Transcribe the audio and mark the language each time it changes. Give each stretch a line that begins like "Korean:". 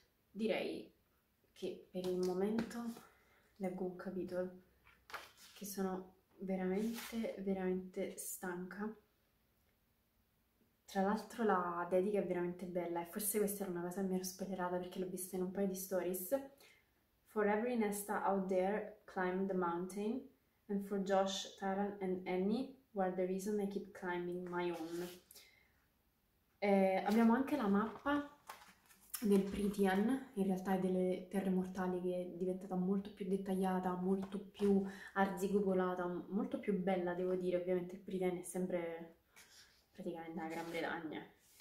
Italian: Direi che per il momento leggo un capitolo, che sono veramente, veramente stanca. Tra l'altro la dedica è veramente bella e forse questa era una cosa che mi ero spoilerata perché l'ho vista in un paio di stories.
English: For every Nesta out there, climb the mountain. And for Josh, Taran and Annie, were the reason I keep climbing my own.
Italian: Abbiamo anche la mappa del Prithian, in realtà è delle Terre Mortali, che è diventata molto più dettagliata, molto più arzigogolata, molto più bella, devo dire. Ovviamente il Prithian è sempre praticamente la Gran Bretagna.